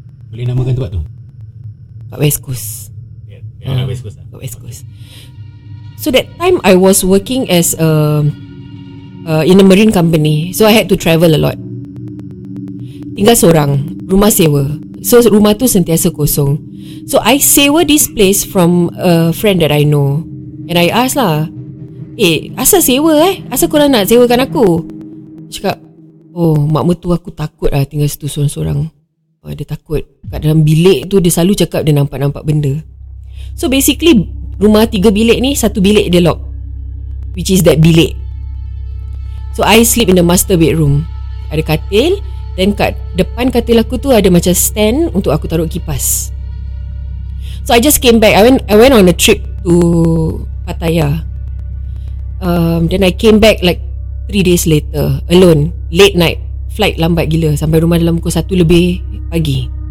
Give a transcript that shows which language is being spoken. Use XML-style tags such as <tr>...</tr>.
<ms>boleh namakan tempat tu? Kat West Coast. Kat</ms> <en>West Coast. So that time I was working as in a marine company. So I had to travel a lot.</en> <ms>Tinggal seorang, rumah sewa. So rumah tu sentiasa kosong.</ms> <en>So I</en> <ms>sewa</ms> <en>this place from a friend that I know. And I ask</en> <ms>lah, asal sewa asal korang nak sewakan aku? Cakap, oh, mak mertua aku takut lah tinggal situ seorang-seorang. Dia takut. Kat dalam bilik tu dia selalu cakap dia nampak-nampak benda.</ms> <en>So basically</en> <ms>rumah tiga bilik ni, satu bilik dia lock,</ms> <en>which is that</en> <ms>bilik.</ms> <en>So I sleep in the master bedroom.</en> <ms>Ada katil. Then kat depan katil aku tu ada macam stand untuk aku taruh kipas.</ms> <en>So I just came back. I went on a trip to Pattaya. Then I came back like 3 days later, alone, late night.</en> <ms>Flight lambat gila, sampai rumah dalam pukul 1 lebih pagi.</ms>